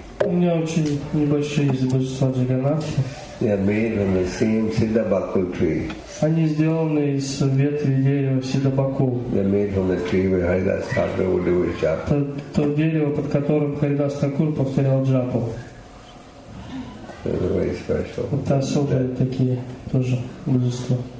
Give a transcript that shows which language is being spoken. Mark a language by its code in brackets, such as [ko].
[ru] У меня очень небольшие божества Джаганнатха. [en] They are made from the same Siddhabakul tree. [ru] Они сделаны из ветви дерева Сиддабакул. [en] They are made from the tree where Haridas Thakur would do his japa. [ru] То дерево, под которым Харидас Такур повторял джапу. [en] They're very special. [ru] Вот особые такие тоже божества.